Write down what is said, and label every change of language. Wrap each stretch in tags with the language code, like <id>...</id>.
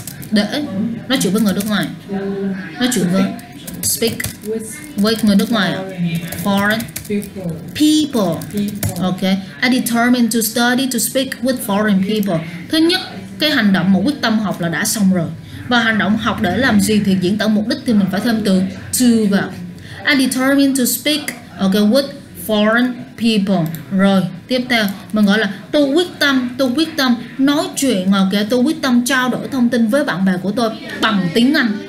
<vi>Để nói chuyện với người nước ngoài. Nói chuyện với</vi> <en>speak with</en> <vi>người nước ngoài.</vi> <en>Foreign people. Ok. I determined to study to speak with foreign people.</en> <vi>Thứ nhất, cái hành động mà quyết tâm học là đã xong rồi. Và hành động học để làm gì thì diễn tả mục đích thì mình phải thêm từ to vào.</vi> <en>I determined to speak, ok, with foreign people.</en> <vi>Rồi, tiếp theo mình gọi là tôi quyết tâm nói chuyện, ok, tôi quyết tâm trao đổi thông tin với bạn bè của tôi bằng tiếng Anh.</vi>